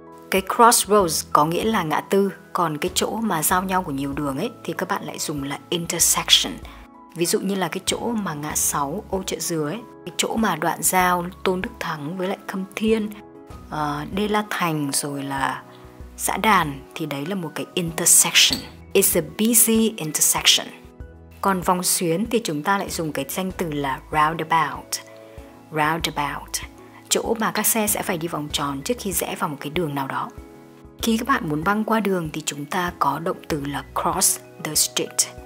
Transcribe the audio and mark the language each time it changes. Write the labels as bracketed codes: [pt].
[vi] Cái crossroads có nghĩa là ngã tư. Còn cái chỗ mà giao nhau của nhiều đường ấy thì các bạn lại dùng là intersection. Ví dụ như là cái chỗ mà ngã 6 Ô Chợ Dừa ấy, cái chỗ mà đoạn giao Tôn Đức Thắng với lại Khâm Thiên, Đê La Thành rồi là Xã Đàn, thì đấy là một cái intersection. [en] It's a busy intersection. [vi] Còn vòng xuyến thì chúng ta lại dùng cái danh từ là roundabout. Roundabout. Chỗ mà các xe sẽ phải đi vòng tròn trước khi rẽ vào một cái đường nào đó. Khi các bạn muốn băng qua đường thì chúng ta có động từ là cross the street.